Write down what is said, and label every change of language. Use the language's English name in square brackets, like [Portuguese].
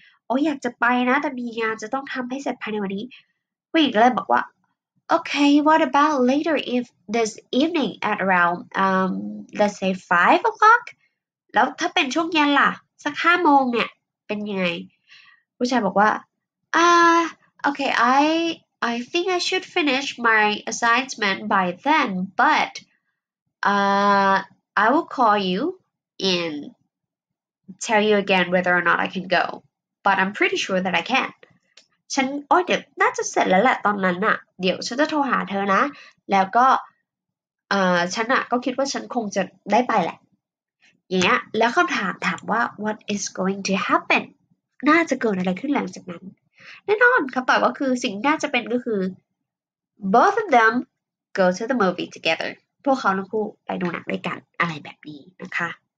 [Thai] Oh, อยากจะไปนะแต่มีงานจะต้องทำให้เสร็จภายในวันนี้ผู้หญิงก็เลยบอกว่า [English] Okay, what about later if this evening at around, let's say 5 o'clock? [Thai] แล้วถ้าเป็นช่วงเย็นล่ะสัก5โมงเนี่ยเป็นยังไงผู้ชายบอกว่า [English] okay, I think I should finish my assignment by then, but... I will call you and tell you again whether or not I can go. But I'm pretty sure that I can. [Thai] ฉันโอ้ยเดี๋ยวน่าจะเสร็จแล้วแหละตอนนั้นน่ะเดี๋ยวฉันจะโทรหาเธอนะแล้วก็ฉันอ่ะก็คิดว่าฉันคงจะได้ไปแหละอย่างเงี้ยแล้วคำถามถามว่า [English] what is going to happen [Thai] น่าจะเกิดอะไรขึ้นหลังจากนั้นแน่นอนคำตอบก็คือสิ่งน่าจะเป็นก็คือ [English] both of them go to the movie together [Thai] พวกเขาทั้งคู่ไปดูหนังด้วยกันอะไรแบบนี้นะคะ